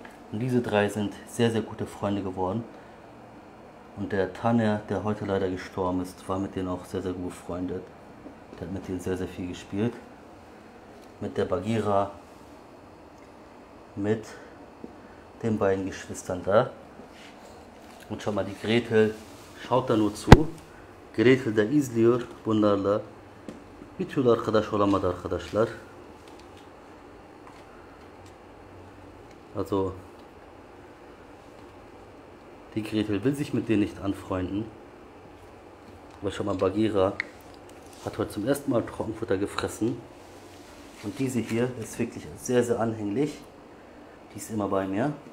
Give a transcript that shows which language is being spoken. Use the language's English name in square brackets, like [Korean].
[German] Und diese drei sind sehr, sehr gute Freunde geworden. Und der Taner, der heute leider gestorben ist, war mit denen auch sehr, sehr gut befreundet. Der hat mit denen sehr, sehr viel gespielt. Mit der Bagheera, mit den beiden Geschwistern da. Und schau mal, die Gretel schaut da nur zu. [Turkish] Gretel, der izliyor bunlarla. Bir türlü arkadaş olamadı arkadaşlar. [German] Also, die Gretel will sich mit denen nicht anfreunden. Aber schon mal, Bagheera hat heute zum ersten Mal Trockenfutter gefressen. Und diese hier ist wirklich sehr, sehr anhänglich. Die ist immer bei mir.